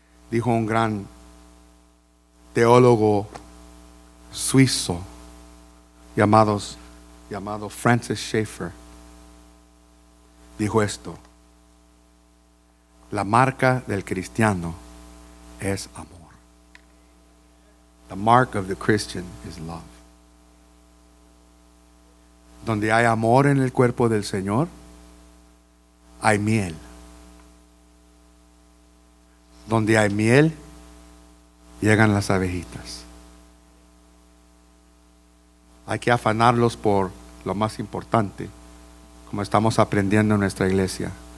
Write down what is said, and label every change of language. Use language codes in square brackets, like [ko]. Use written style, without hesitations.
[es] Dijo un gran teólogo suizo llamado Francis Schaeffer. Dijo esto: la marca del cristiano es amor. [en] The mark of the Christian is love. [es] Donde hay amor en el cuerpo del Señor, hay miel. Donde hay miel, llegan las abejitas. Hay que afanarlos por lo más importante, como estamos aprendiendo en nuestra iglesia.